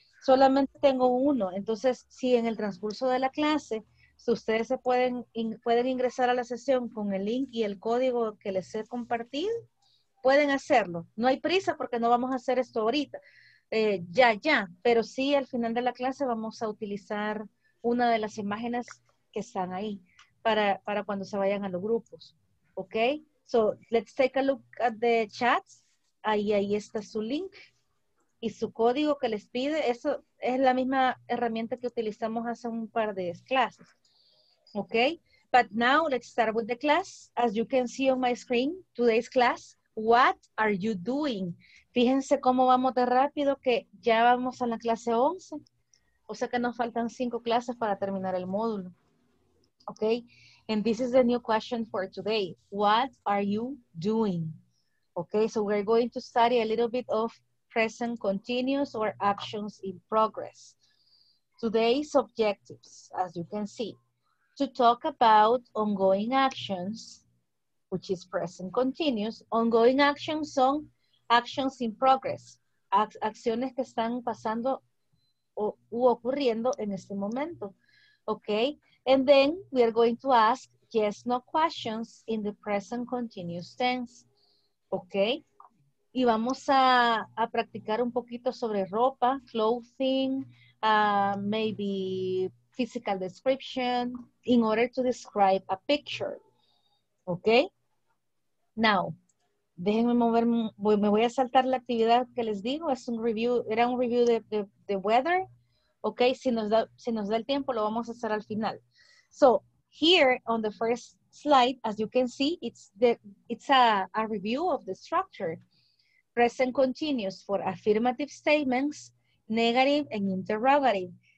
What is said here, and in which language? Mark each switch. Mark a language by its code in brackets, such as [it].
[es] Solamente tengo uno, entonces si en el transcurso de la clase si ustedes se pueden ingresar a la sesión con el link y el código que les he compartido, pueden hacerlo. No hay prisa porque no vamos a hacer esto ahorita. Ya. Pero sí, al final de la clase vamos a utilizar una de las imágenes que están ahí para cuando se vayan a los grupos. ¿Ok? [en] So, let's take a look at the chats. [es] Ahí está su link y su código que les pide. Eso es la misma herramienta que utilizamos hace un par de clases. [en] Okay, but now let's start with the class. As you can see on my screen, today's class, what are you doing? [es] Fíjense cómo vamos de rápido que ya vamos a la clase 11. O sea que nos faltan 5 clases para terminar el módulo. [en] Okay, and this is the new question for today. What are you doing? Okay, so we're going to study a little bit of present continuous or actions in progress. Today's objectives, as you can see. To talk about ongoing actions, which is present continuous. Ongoing actions [es] son [en] actions in progress. [es] Acciones que están pasando u ocurriendo en este momento. Okay? [en] And then we are going to ask yes, no questions in the present continuous tense. Okay? [es] Y vamos a practicar un poquito sobre ropa, [en] clothing, maybe physical description in order to describe a picture. Okay? [es] Now, déjenme mover, me voy a saltar la actividad que les digo, es un review, era un review de weather. Okay, si nos da el tiempo, lo vamos a hacer al final. [en] So, here on the first slide, as you can see, it's a review of the structure. Present continuous for affirmative statements, negative and interrogative.